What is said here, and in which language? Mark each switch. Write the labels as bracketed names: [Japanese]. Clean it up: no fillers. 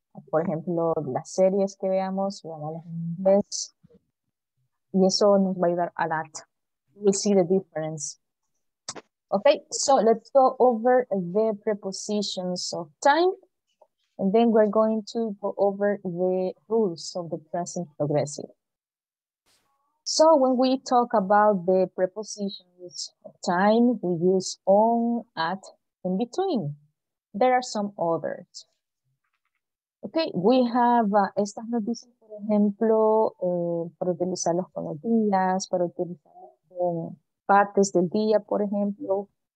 [Spanish] Por ejemplo, las series que veamos, veamos en inglés. Y eso nos va a ayudar [English] a lot. We'll see the difference. Okay, so let's go over the prepositions of time. And then we're going to go over the rules of the present progressive. So when we talk about the prepositions of time, we use on, at, in between. There are some others. Okay, we have [Spanish] estas noticias, por ejemplo, para utilizarlos con los días, para utilizarlos con partes del día, por ejemplo.